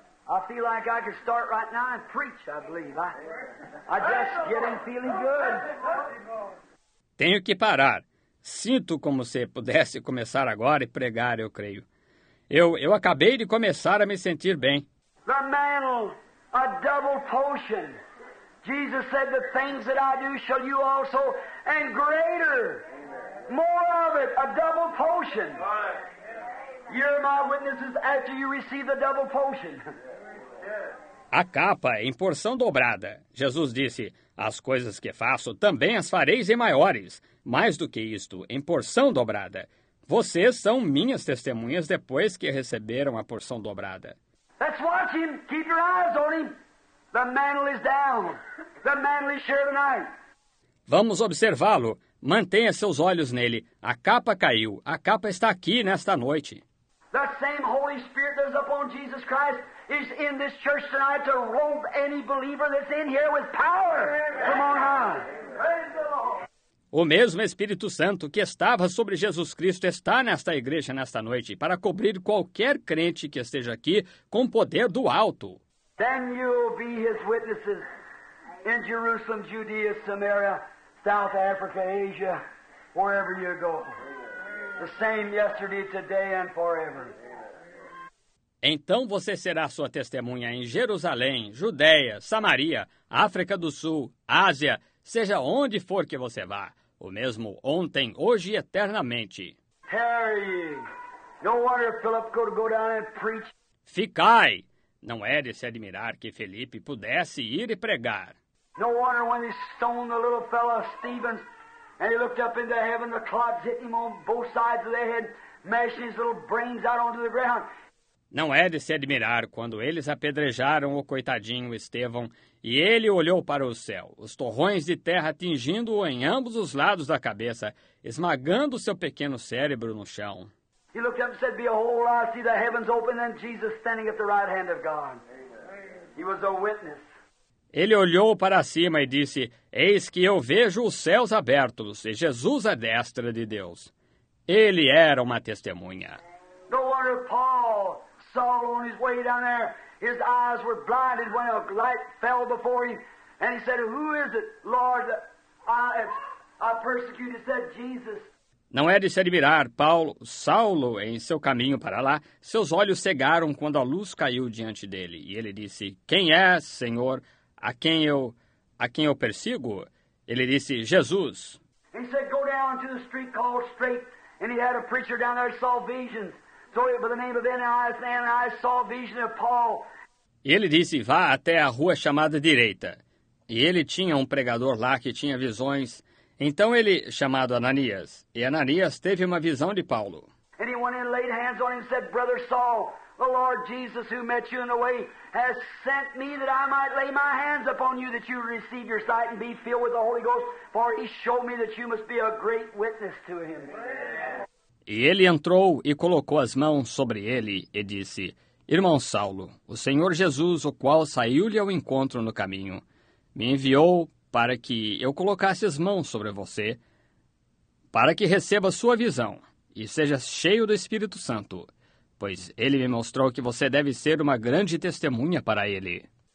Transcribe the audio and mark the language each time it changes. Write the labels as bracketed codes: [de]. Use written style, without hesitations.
[en] I feel like I could start right now and preach, I believe. I just getting feeling good. [pt] Tenho que parar. Sinto como se pudesse começar agora e pregar, eu creio. Eu acabei de começar a me sentir bem. [en] The mantle, a double potion. Jesus said, the things that I do shall you also, and greater, more of it, a double potion. You're my witnesses after you receive the double potion. [pt] A capa em porção dobrada. Jesus disse, as coisas que faço também as fareis em maiores. Mais do que isto, em porção dobrada. Vocês são minhas testemunhas depois que receberam a porção dobrada. [en] Let's watch him. Keep your eyes on him. The mantle is down. The mantle is here tonight. [pt] Vamos observá-lo. Mantenha seus olhos nele. A capa caiu. A capa está aqui nesta noite. [en] The same Holy Spirit that is upon Jesus Christ is in this church tonight to robe any believer that's in here with power. Come on, high. Praise the Lord. [pt] O mesmo Espírito Santo que estava sobre Jesus Cristo está nesta igreja nesta noite para cobrir qualquer crente que esteja aqui com poder do alto. [en] Then you'll be his witnesses in Jerusalem, Judea, Samaria, South Africa, Asia, wherever you go. The same yesterday, today and forever. [pt] Então você será sua testemunha em Jerusalém, Judeia, Samaria, África do Sul, Ásia, seja onde for que você vá. O mesmo ontem, hoje e eternamente. [en] Tarry. No wonder Philip could go down and preach. [pt] Ficai! Não é de se admirar que Felipe pudesse ir e pregar. [en] No wonder when he stoned the little fellow Stephen and he looked up into heaven, the clods hit him on both sides of the head, mashing his little brains out onto the ground. [pt] Não é de se admirar quando eles apedrejaram o coitadinho Estevão e ele olhou para o céu, os torrões de terra atingindo-o em ambos os lados da cabeça, esmagando seu pequeno cérebro no chão. [en] He looked up and said, behold, I see the heavens open and Jesus standing at the right hand of God. He was a witness. [pt] Ele olhou para cima e disse, eis que eu vejo os céus abertos e Jesus à destra de Deus. Ele era uma testemunha. [en] No wonder Paul, Saul, on his way down there, his eyes were blinded when a light fell before him, and he said, who is it, Lord, that I persecuted? Said Jesus. [pt] Não é de se admirar, Paulo, Saulo, em seu caminho para lá, seus olhos cegaram quando a luz caiu diante dele, e ele disse, quem é, Senhor, a quem eu a quem eu persigo? Ele disse, Jesus. [en] He said, go down to the street called Straight, and he had a preacher down there who saw visions. So it by the name of Ananias, and Ananias saw a vision of Paul. [pt] Ele disse, vá até a rua chamada Direita. E ele tinha um pregador lá que tinha visões. Então ele, chamado Ananias, e Ananias teve uma visão de Paulo. [en] And he went in and laid hands on him and said, Brother Saul, the Lord Jesus who met you in the way has sent me that I might lay my hands upon you that you receive your sight and be filled with the Holy Ghost, for he showed me that you must be a great witness to him. [pt] E ele entrou e colocou as mãos sobre ele e disse, Irmão Saulo, o Senhor Jesus, o qual saiu-lhe ao encontro no caminho, me enviou para que eu colocasse as mãos sobre você, para que receba sua visão e seja cheio do Espírito Santo, pois ele me mostrou que você deve ser uma grande testemunha para ele.